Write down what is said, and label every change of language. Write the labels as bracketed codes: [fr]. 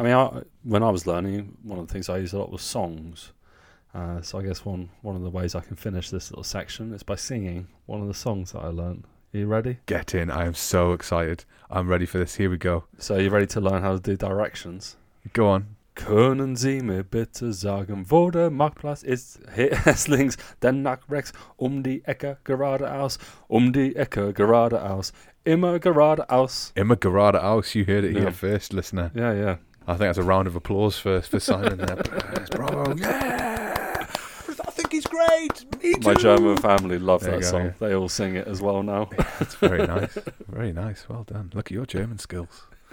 [en] I mean, when I was learning, one of the things I used a lot was songs. So I guess one of the ways I can finish this little section is by singing one of the songs that I learned. Are you ready? Get in. I am so excited. I'm ready for this. Here we go. So are you ready to learn how to do directions? Go on. [de] Können Sie mir bitte sagen, wo der Marktplatz ist? Hier ist links, denn nach rechts, die Ecke geradeaus, die Ecke geradeaus, immer geradeaus. Immer geradeaus. [en] You heard it here first, listener. Yeah, yeah. I think that's a round of applause for Simon there. Bravo. Yeah. He's great. Me too. My German family love that song. Yeah. They all sing it as well now. It's very nice. Very nice. Well done. Look at your German skills.